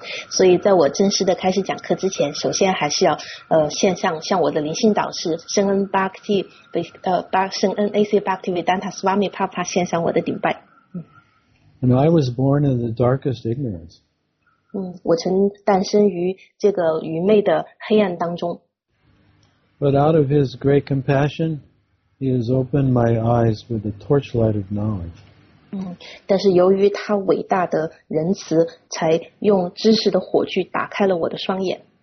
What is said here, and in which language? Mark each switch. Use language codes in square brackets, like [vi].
[zh] 所以在我正式的开始讲课之前, 首先还是要献上向我的灵性导师圣恩 Bhakti, 圣恩 A.C. Bhaktivinoda Swami Prabhupada 献上我的顶拜。 [en] And I was born in the darkest ignorance. [zh] 我曾诞生于这个愚昧的黑暗当中。 [en] But out of his great compassion, he has opened my eyes with the torchlight of knowledge. [zh] 但是由于他伟大的仁慈，才用知识的火炬打开了我的双眼。